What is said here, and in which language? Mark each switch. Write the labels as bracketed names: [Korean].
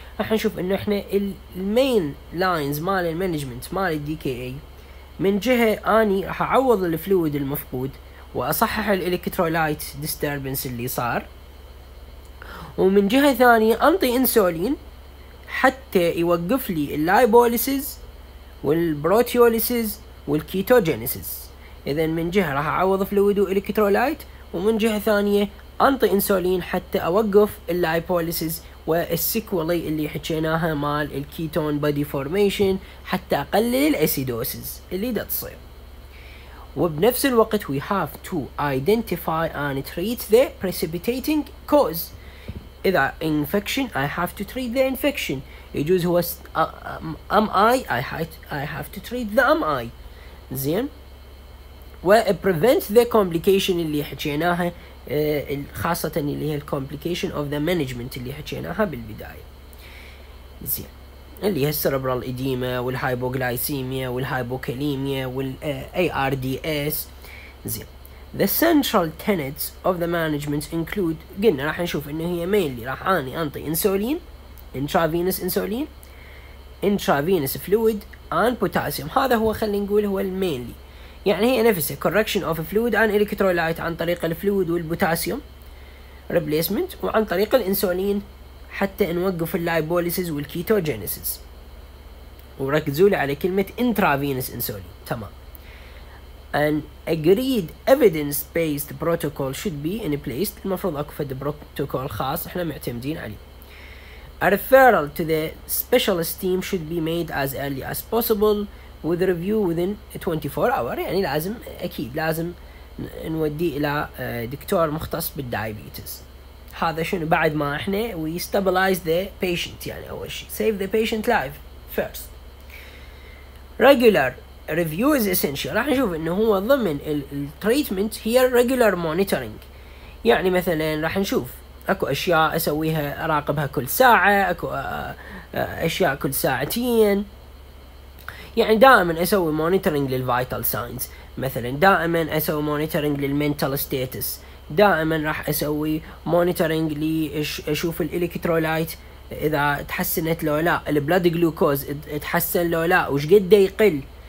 [Arabic] احنا نشوف انه احنا المين لاينز مال المانجمنت مال الدي كي اي من جهه اني راح اعوض الفلويد المفقود واصحح الالكترولايت ديستربنس اللي صار، ومن جهه ثانيه انطي انسولين حتى يوقف لي اللايبوليسز والبروتيوليسز والكيتوجينيسز. اذا من جهه راح اعوض فلويد والالكترولايت، ومن جهه ثانيه انطي انسولين حتى اوقف اللايبوليسز والسيكولي اللي حكيناها مال الكيتون بودي فورميشن حتى اقلل الاسيدوسز اللي دا تصير. وبنفس الوقت [English] we have to identify and treat the precipitating cause. اذا infection I have to treat the infection. [Arabic] يجوز هو [English] I have to treat the MI. [Arabic] زين. و [English] prevent the complication [Arabic] اللي حكيناها خاصة اللي هي [English] complication of the management [Arabic] اللي حكيناها بالبداية. زين اللي هي السربرال إديما والهايبوغلايسيميا والهايبوكاليميا والARDS. [English] زين the central tenets of the management include [Arabic] قلنا راح نشوف انه هي [English] mainly [Arabic] راح اني انطي انسولين [English] intravenous insulin intravenous fluid and potassium. [Arabic] هذا هو خلينا نقول هو mainly يعني هي نفسها [English] correction of fluid and electrolyte [Arabic] عن طريق الفلويد والبوتاسيوم replacement وعن طريق الانسولين حتى نوقف اللايبوليسز والكيتوجينيسز. وركزوا لي على كلمة intravenous insulin. تمام. [English] An agreed evidence-based protocol should be in place. [Arabic] المفروض اكو فد بروتوكول خاص احنا معتمدين عليه. [English] A referral to the specialist team should be made as early as possible with review within 24 hour. [Arabic] يعني لازم اكيد لازم نودي الى دكتور مختص بالدايبيتس. هذا شنو بعد ما احنا [English] we stabilize the patient، [Arabic] يعني اول شيء [English] save the patient life first. Regular review is essential. [Arabic] راح نشوف انه هو ضمن التريتمنت هي regular monitoring. يعني مثلا راح نشوف اكو اشياء اسويها اراقبها كل ساعة، اكو اشياء كل ساعتين. يعني دائما اسوي مونيتورنج للفايتال ساينز مثلا، دائما اسوي مونيتورنج للمنتال ستيتس، دائما راح اسوي مونيتورنج لاشوف الالكترولايت اذا تحسنت لو لا، البلد جلوكوز تحسن لو لا وش قد يقل.